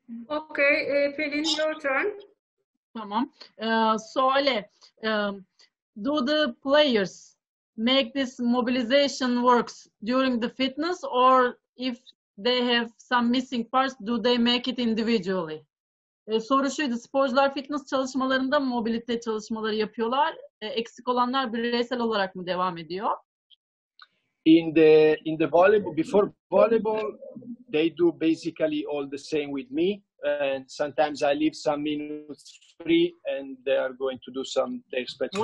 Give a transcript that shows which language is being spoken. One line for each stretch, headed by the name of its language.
English: Okay, Pelin, your turn.
Turkish: Tamam.
English: So Ale, do the players make this mobilization works during the fitness, or if they have some missing parts, do they make it individually?
Turkish: Soru şuydu, sporcular fitness çalışmalarında mobilite çalışmaları yapıyorlar. Eksik olanlar bireysel olarak mı devam ediyor?
English: In the volleyball, before volleyball, they do basically all the same with me. And sometimes I leave some minutes free and they are going to do some their special.